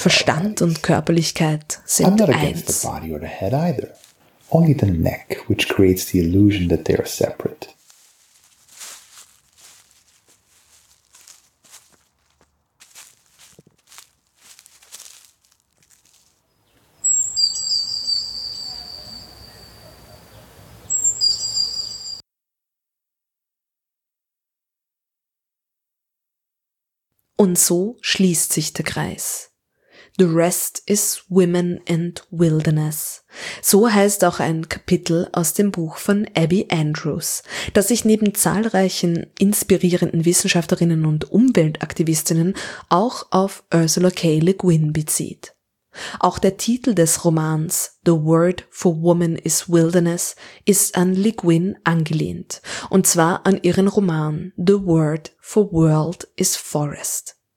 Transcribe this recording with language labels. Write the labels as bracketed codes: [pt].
[de] Verstand und Körperlichkeit sind eins. [en] I'm not against the body or the head either. Only the neck, which creates the illusion that they are separate. [de] Und so schließt sich der Kreis. [en] The rest is women and wilderness. [de] So heißt auch ein Kapitel aus dem Buch von Abby Andrews, das sich neben zahlreichen inspirierenden Wissenschaftlerinnen und Umweltaktivistinnen auch auf Ursula K. Le Guin bezieht. Auch der Titel des Romans The Word for Woman is Wilderness ist an Le Guin angelehnt, und zwar an ihren Roman The Word for World is Forest.